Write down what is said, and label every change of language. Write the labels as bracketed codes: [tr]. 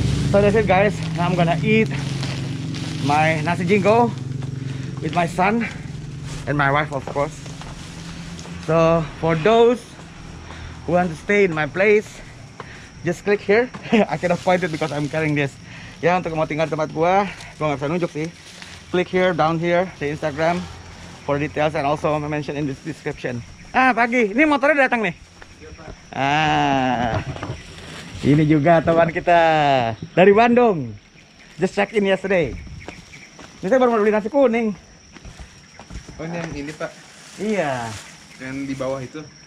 [en] So that's it guys. Now I'm gonna eat my nasi jinggo with my son and my wife of course. So for those who want to stay in my place, just click here. I cannot point it because I'm carrying this. [id] Ya, yeah, untuk mau tinggal tempat gua nggak bisa nunjuk sih. [en] Click here down here the Instagram for details and also mention in this description. [id] Ah pagi, ini motornya datang nih. Ah ini juga teman kita dari Bandung. [en] Just check in yesterday. [id] Ini saya baru beli nasi kuning. Oh ini yang ini pak? Iya. Yang di bawah itu?